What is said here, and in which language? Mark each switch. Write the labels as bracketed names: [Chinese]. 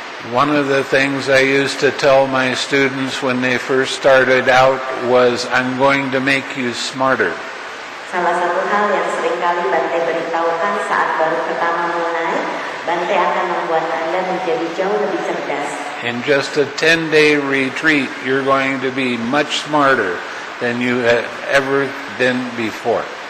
[English] One of the things I used to tell my students when they first started out was, I'm going to make you smarter. [Indonesian] Salah satu hal yang seringkali Bante beritahukan saat baru pertama mulai, Bante akan membuat Anda menjadi jauh lebih cerdas. [English] In just a 10-day retreat, you're going to be much smarter than you have ever been before.